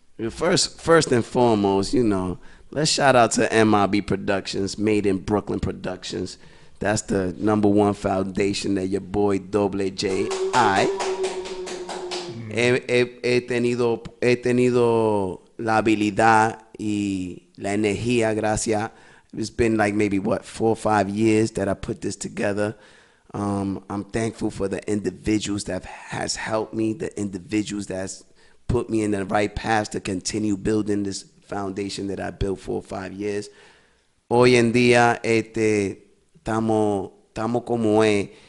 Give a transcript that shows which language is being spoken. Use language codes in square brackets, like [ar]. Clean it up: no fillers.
[en] First and foremost, you know, let's shout out to MIB Productions, Made in Brooklyn Productions. That's the number one foundation that your boy Double J. [es] He tenido, he tenido la habilidad y la energía, gracias. [en] It's been like maybe what, 4 or 5 years that I put this together. I'm thankful for the individuals that has helped me, the individuals that's put me in the right path to continue building this foundation that I built 4 or 5 years. [es] Hoy en día, estamos como es.